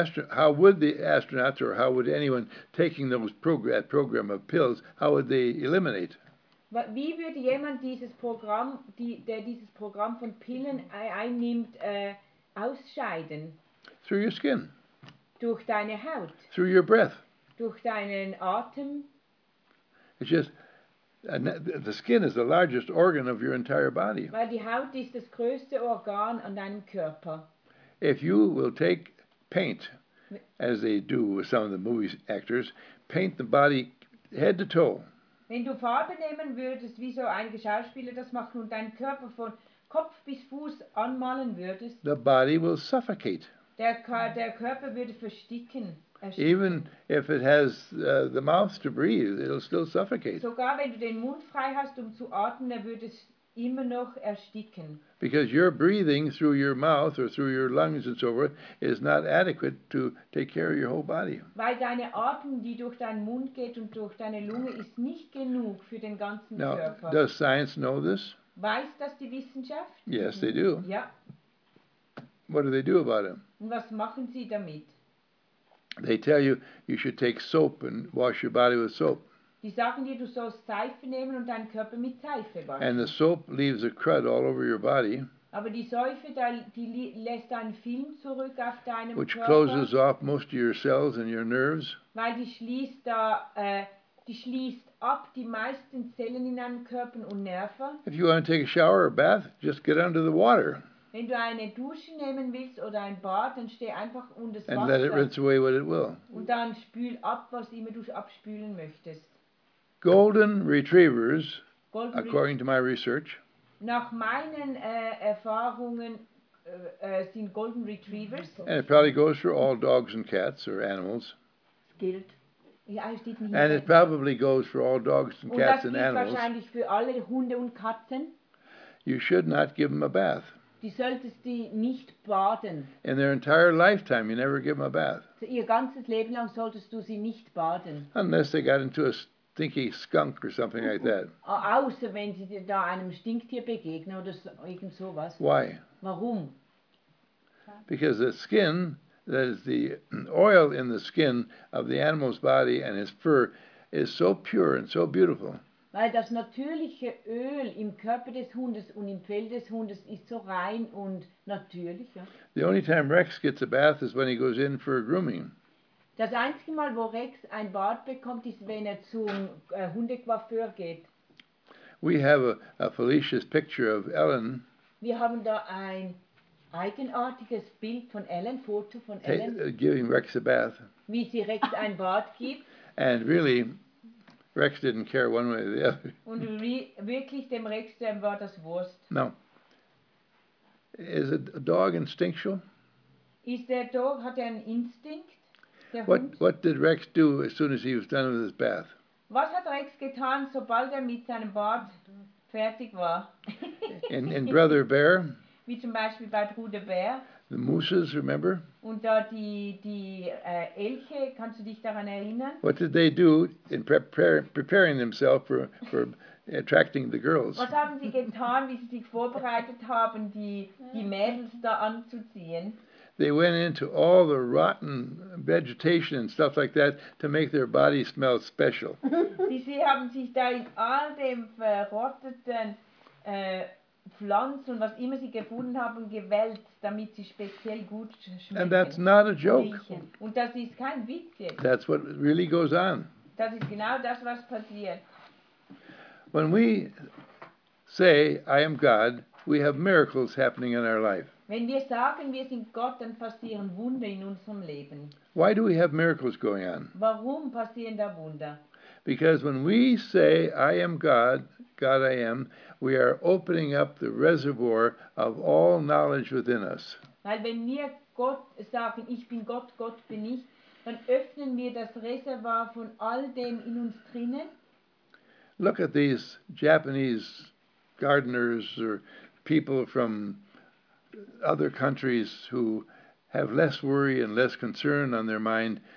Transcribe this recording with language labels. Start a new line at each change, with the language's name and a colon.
English: how would the astronauts or how would anyone taking those program of pills, how would they eliminate?
German: Wie würde jemand dieses Programm, der dieses Programm von Pillen einnimmt, ausscheiden?
English: Through your skin.
German: Durch deine Haut.
English: Through your breath.
German: Durch deinen Atem.
English: It's just, the skin is the largest organ of your entire body.
German: Weil die Haut ist das größte Organ an deinem Körper.
English: If you will take paint, as they do with some of the movie actors, paint the body head to toe.
German: Wenn du Farbe nehmen würdest, wie so einige Schauspieler das machen, und deinen Körper von Kopf bis Fuß anmalen würdest,
English: the body will suffocate.
German: Der Körper würde versticken.
English: Even if it has the mouth to breathe, it'll still suffocate.
German: Sogar wenn du den Mund frei hast, um zu atmen, er würde immer noch ersticken.
English: Because your breathing through your mouth or through your lungs and so forth is not adequate to take care of your whole body.
German: Weil deine Atem, die durch deinen Mund geht und durch deine Lunge, ist nicht genug für den ganzen
English: now,
German: Körper.
English: Does science know this?
German: Weiß das die Wissenschaft?
English: Yes, they do.
German: Ja.
English: What do they do about it?
German: Und was machen sie damit?
English: They tell you you should take soap and wash your body with soap.
German: Die sagen dir, du sollst Seife nehmen und deinen Körper mit Seife waschen.
English: And the soap leaves a crud all over your body.
German: Aber die Seife, die lässt einen Film zurück auf deinem Körper.
English: Which closes off most of your cells and your nerves.
German: Weil die schließt ab die meisten Zellen in deinem Körper und Nerven.
English: If you want to take a shower or a bath, just get under the water.
German: Wenn du eine Dusche nehmen willst oder ein Bad, dann steh einfach unter das Wasser.
English: And let it rinse away what it will.
German: Und dann spül ab, was immer du abspülen möchtest.
English: Golden retrievers, Golden according to my research.
German: Nach meinen Erfahrungen sind Golden retrievers.
English: And it probably goes for all dogs and cats or animals.
German: Es gilt. Ja, es steht nicht.
English: And it probably goes for all dogs and cats
German: und das gilt
English: and animals.
German: Wahrscheinlich für alle Hunde und Katzen.
English: You should not give them a bath.
German: Die solltest du nicht baden.
English: In their entire lifetime, you never give them a bath.
German: Ihr ganzes Leben lang solltest du sie nicht baden.
English: Unless they got into a stinky skunk or something like that.
German: Außer wenn sie da einem Stinktier begegnen oder irgend sowas.
English: Why?
German: Warum?
English: Because the skin, that is the oil in the skin of the animal's body and its fur, is so pure and so beautiful.
German: Weil das natürliche Öl im Körper des Hundes und im Fell des Hundes ist so rein und natürlich. Ja.
English: The only time Rex gets a bath is when he goes in for a grooming.
German: Das einzige Mal, wo Rex ein Bad bekommt, ist, wenn er zum Hundekoiffeur geht.
English: We have a Felicia's picture of Ellen.
German: Wir haben da ein eigenartiges Bild von Ellen, Foto von Ellen.
English: Giving Rex a bath.
German: Wie sie Rex ein Bad gibt.
English: And really, Rex didn't care one way or the other.
German: Und wirklich, dem Rex, dem war das Wurst.
English: No. Is a dog instinctual?
German: Is der Dog, hat einen Instinkt?
English: What did Rex do as soon as he was done with his bath?
German: Was hat Rex getan, sobald mit seinem Bad fertig war?
English: In Brother Bear?
German: Wie zum Beispiel bei Bruder Bär.
English: The mooses, remember?
German: Und da die Elche, kannst du dich daran erinnern?
English: What did they do in preparing themselves for attracting the girls?
German: Was haben sie getan, wie sie sich vorbereitet haben, die Mädels da anzuziehen?
English: They went into all the rotten vegetation and stuff like that to make their body smell special.
German: Sie haben sich da in all dem verrotteten Pflanzen und was immer sie gefunden haben gewälzt, damit sie speziell gut schmecken.
English: And that's not a joke.
German: Und das ist kein Witz jetzt.
English: That's what really goes on.
German: Das ist genau das, was passiert.
English: When we say, I am God, we have miracles happening in our life.
German: Wenn wir sagen, wir sind Gott, dann passieren Wunder in unserem Leben.
English: Why do we have miracles going on?
German: Warum passieren da Wunder?
English: Because when we say, I am God, God I am, we are opening up the reservoir of all knowledge within us.
German: Weil wenn wir Gott sagen, ich bin Gott, Gott bin ich, dann öffnen wir das Reservoir von all dem in uns drinnen.
English: Look at these Japanese gardeners or people from other countries who have less worry and less concern on their mind.